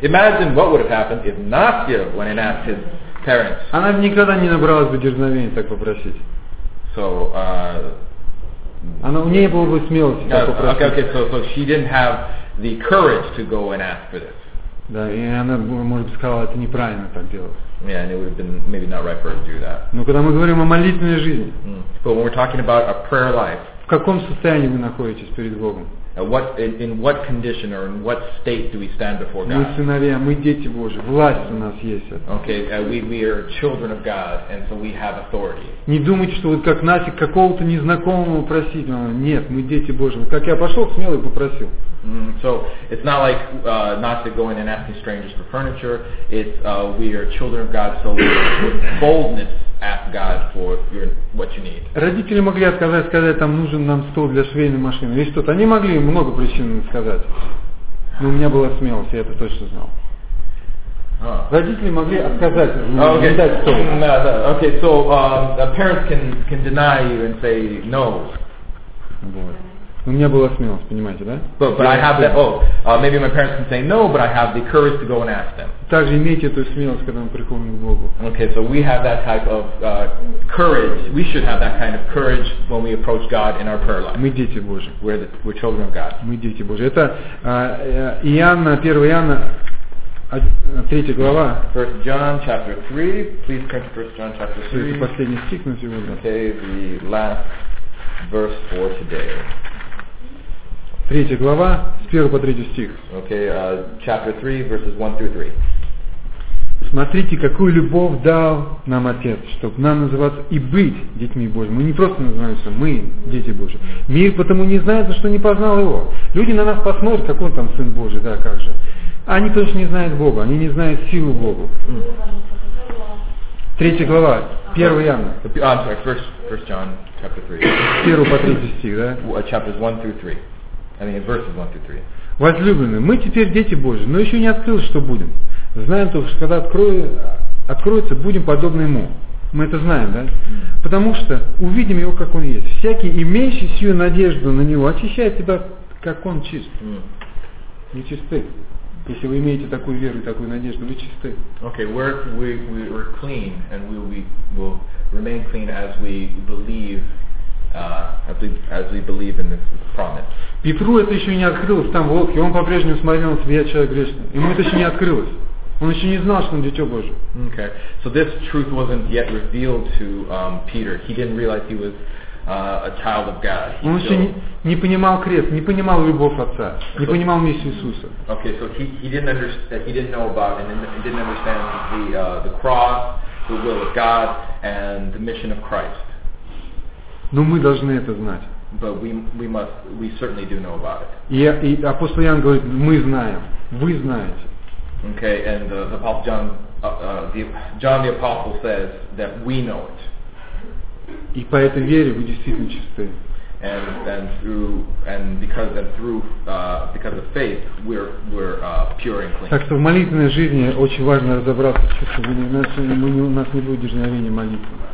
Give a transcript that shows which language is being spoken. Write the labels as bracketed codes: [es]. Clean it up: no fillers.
[en] Imagine what would have happened if Nastya went and asked his parents. [ru] Она бы никогда не набралась бы дерзновения так попросить. [en] So, [ru] она у нее было бы смелости так попросить. [en] Okay, so she didn't have the courage to go and ask for this. [ru] Да, и она может бы сказала, это неправильно так делать. [en] Yeah, and it would have been maybe not right for her to do that. [ru] Но когда мы говорим о молитвенной жизни, [en] But when we're talking about a prayer life, [ru] в каком состоянии вы находитесь перед Богом? [en] In what condition or in what state do we stand before God? [ru] Мы сыновья, мы дети Божьи, власть у нас есть. [en] Okay, we are children of God, and so we have authority. [ru] Не думайте, что вот как нафиг какого-то незнакомого просить. Нет, мы дети Божьи. Как я пошел, смело попросил. [en] So it's not like Nastya going and asking strangers for furniture. It's we are children of God, so we with boldness ask God for your what you need. [ru] Родители могли отказать, сказать, там нужен нам стол для швейной машины. Есть что-то. Они могли много причин сказать. Но у меня была смелость, я это точно знал. Родители могли отказать, не дать стол. [en] Okay, so parents can deny you and say no. [ru] Вот. У меня была смелость, понимаете, да? [en] But I have that. Maybe my parents can say no, but I have the courage to go and ask them. [ru] Также имейте эту смелость, когда мы приходим к Богу. [en] Okay, so we have that type of courage. We should have that kind of courage when we approach God in our prayer life. [ru] Мы дети Божьи. [en] We're children of God. [ru] Мы дети Божьи. Это Иоанна, 1 Иоанна, 3 глава. [en] First John chapter 3. Please turn to First John chapter 3. [ru] Это последний стих на сегодня. [en] Okay, the last verse for today. [ru] 3 глава, с 1 по 3 стих. [en] Okay, chapter 3, verses 1 through 3. [ru] Смотрите, какую любовь дал нам Отец, чтобы нам называться и быть детьми Божьими. Мы не просто называемся, мы дети Божьи. Мир потому не знает, за что не познал Его. Люди на нас посмотрят, как он там Сын Божий, да, как же. Они точно не знают Бога, они не знают силу Бога. 3 глава, 1 Иоанна. [en] I'm sorry, first John, chapter 3. [ru] 1 по 3 стих, да? [en] Chapters 1 through 3. I mean, verses 1 through 3. [ru] Возлюбленные, мы теперь дети Божьи, но еще не открылось, что будем. Знаем то, что когда откроется, будем подобны Ему. Мы это знаем, да? Потому что увидим Его, как Он есть. Всякий, имеющий всю надежду на Него, очищает тебя, как Он чист. Нечистый. Если вы имеете такую веру и такую надежду, вы чисты. [en] Okay, we're clean and we'll remain clean as we believe. As we believe in this promise. [ru] Петру это еще не открылось там в лодке, он по-прежнему смотрел на себя человек грешный. Ему это еще не открылось. Он еще не знал, что он дитя Божие. [en] Okay. So this truth wasn't yet revealed to Peter. He didn't realize he was a child of God. He [ru] Он еще не понимал крест, не понимал любовь Отца, не понимал миссию Иисуса. [en] Okay, so he didn't understand, he didn't know about and didn't understand the cross, the will of God and the mission of Christ. [ru] Но мы должны это знать. [en] But we certainly do know about it. [ru] И апостол Иоанн говорит, мы знаем, вы знаете. [en] Okay, and the Apostle John, John the Apostle says that we know it. [ru] И по этой вере вы действительно чисты. [en] And because of faith, we're pure and clean. [ru] Так что в молитвенной жизни очень важно разобраться, чисто вы не знаете, мы у нас не будет дерзновения молитвы.